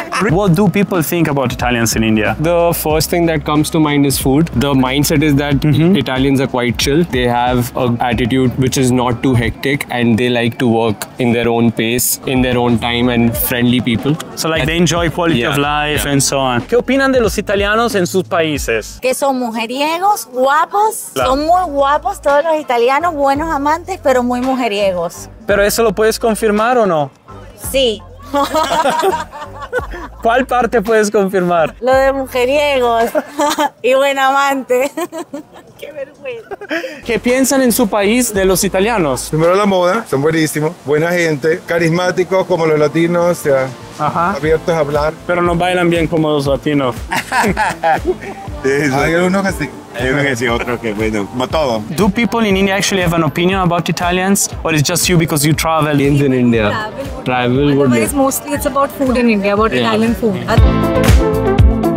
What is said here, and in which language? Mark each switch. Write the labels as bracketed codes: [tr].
[en] What do people think about Italians in India? The first thing that comes to mind is food. The mindset is that Italians are quite chill. They have an attitude which is not too hectic, and they like to work in their own pace, in their own time, and friendly people. So like they enjoy quality of life and so on. [es] ¿Qué opinan de los italianos en sus países? Que son mujeriegos, guapos, son muy guapos todos los italianos, buenos amantes, pero muy mujeriegos. ¿Pero eso lo puedes confirmar o no? Sí. ¿Cuál parte puedes confirmar? Lo de mujeriegos y buen amante. ¡Qué vergüenza! ¿Qué piensan en su país de los italianos? Primero la moda, son buenísimos, buena gente, carismáticos como los latinos, o sea, abiertos a hablar. Pero no bailan bien como los latinos. Hay algunos que sí. [en] Do people in India actually have an opinion about Italians, or is it just you because you travel? Indians in India. Travel. Otherwise, would be. Mostly it's about food in India, about Italian food.